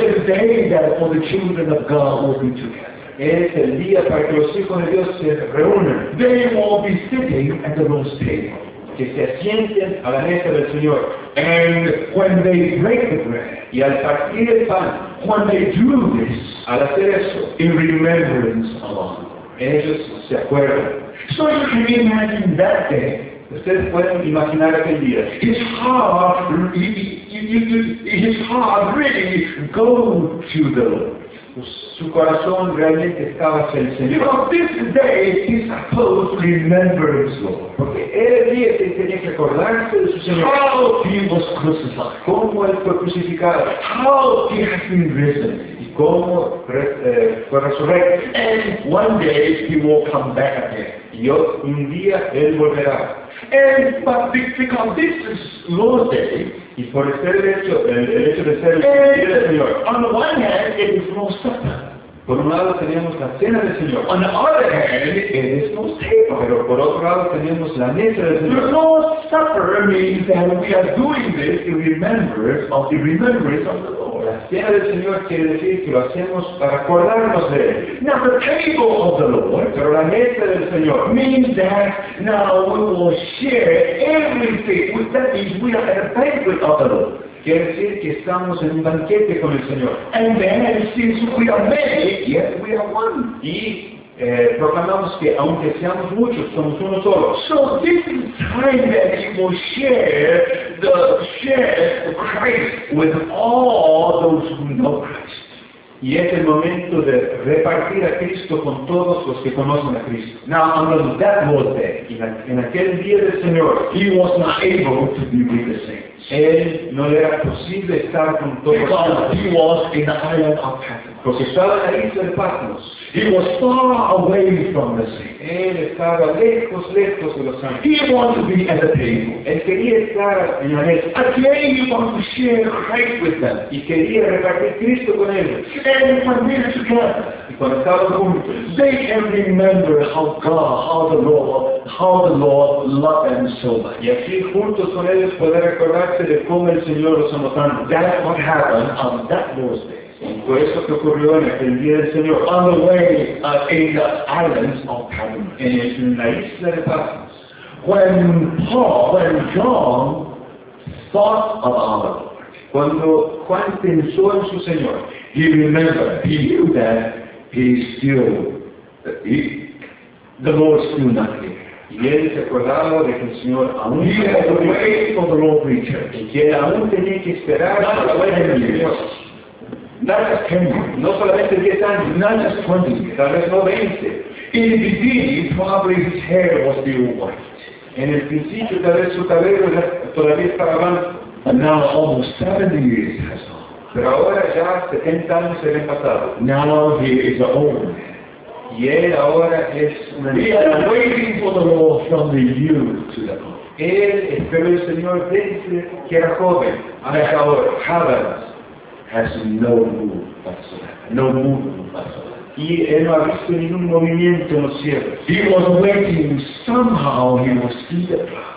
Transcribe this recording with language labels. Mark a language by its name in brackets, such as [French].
[English] The day that all the children of God will be together. [Spanish] Es el día para que los hijos de Dios se reúnan. [English] They will be sitting at the Lord's table. [Spanish] Que se asienten a la mesa del Señor. [English] And when they break the bread. [Spanish] Y al partir el pan. [English] When they do this. [Spanish] Al hacer eso. [English] In remembrance of all. [Spanish] Ellos se acuerdan. [English] So you can imagine that day. [Spanish] Ustedes pueden imaginar aquel día. [English] His heart, really go to the Lord. [Spanish] Su corazón realmente estaba hacia el Señor. [English] Because this day he's supposed to remember his Lord. [Spanish] Porque ese día tenía que acordarse de su Señor. [English] How he was crucified. [Spanish] Cómo él fue crucificado. [English] How he has been risen. [Spanish] Y cómo fue resurrecto. [English] And one day he will come back again. [Spanish] Y un día él volverá. [English] And but because this is Lord's day. [Spanish] Y por el hecho de ser el día del Señor. [English] On the one hand, it is Lord's Supper. [Spanish] Por un lado teníamos la cena del Señor. [English] On the other hand, it is Lord's Table. [Spanish] Pero por otro lado teníamos la mesa del Señor. [English] The Lord's Supper means that we are doing this in remembrance of the remembrance of the Lord. [Spanish] La cena del Señor quiere decir que lo hacemos para acordarnos de él. [English] Now the table of the Lord. [Spanish] Pero la mesa del Señor. [English] Means that now we will share everything. That means we are at a banquet of the Lord. [Spanish] Quiere decir que estamos en un banquete con el Señor. [English] And then, since we are many, yet we are one. [Spanish] Y proclamamos que aunque seamos muchos, somos uno solo. [English] So this is time that he will share Christ with all those who know Christ. [Spanish] Y es el momento de repartir a Cristo con todos los que conocen a Cristo. [English] Now on that Lord's day, [Spanish] en aquel día del Señor, [English] he was not able to be with the saints. [Spanish] Él no le era posible estar con todos los demás. Porque estaba en la isla de Patmos. [English] He was far away from the sea. [Spanish] Él estaba lejos, lejos de los santos. [English] He wanted to be at the table. [Spanish] Él quería estar en la mesa. [English] Again, he wanted to share Christ with them. [Spanish] Y quería repartir Cristo con ellos. [English] And when they were together, [Spanish] y cuando estaban juntos, [English] they can remember how God, how the Lord loved them so much. [Spanish] Y así juntos con ellos poder recordarse de cómo el Señor los amó tanto. [English] That's what happened on that Lord's day. [Spanish] Por eso que ocurrió en aquel día del Señor. [English] On the way in the islands of Patmos. [Spanish] En la isla de Patmos. [English] When John thought of our Lord. [Spanish] Cuando Juan pensó en su Señor. [English] He remembered. He knew that the Lord still not here. [Spanish] Y él se acordaba de que el Señor aún tenía que esperar a la vuelta de Dios. [English] Not just 10 years. [Spanish] No solamente 10 años. [English] Not just 20 years. [Spanish] Tal vez no 20. [English] In the beginning, probably his hair was still white. [Spanish] En el principio, tal vez su cabello todavía estaba blanco. [English] And now almost 70 years has gone. [Spanish] Pero ahora ya 70 años se han pasado. [English] Now he is an old man. [Spanish] Y él ahora es un anciano. [English] He is waiting for the Lord from the youth to the Lord. [Spanish] Él esperó el Señor desde que era joven. Hasta ahora. [English] Heavens. Has no movement whatsoever. [Spanish] Y él no ha visto ningún movimiento en los cielos. [English] He was waiting, somehow he was still there.